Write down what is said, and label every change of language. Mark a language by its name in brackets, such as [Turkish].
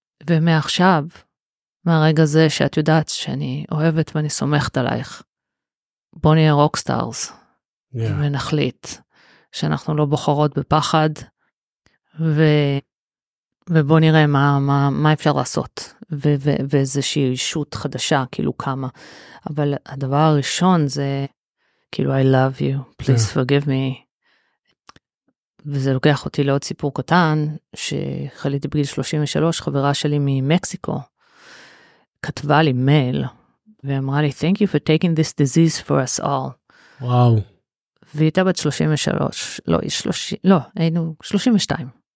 [Hebrew] ומעכשיו, מהרגע זה שאת יודעת שאני אוהבת ואני סומכת עלייך, בוא נהיה רוקסטארס, ונחליט שאנחנו לא בוחרות בפחד, ובוא נראה מה אפשר לעשות, ואיזושהי אישות חדשה, כאילו כמה. אבל הדבר הראשון זה, כאילו, [English] I love you, please forgive me. [Hebrew] וזה לוקח אותי לעוד סיפור קטן, שחליתי בגיל 33, חברה שלי ממקסיקו, כתבה לי מייל, ואמרה לי, [English] thank you for taking this disease for us all. [Hebrew] וואו. והיא הייתה בת 33, לא, היינו 32.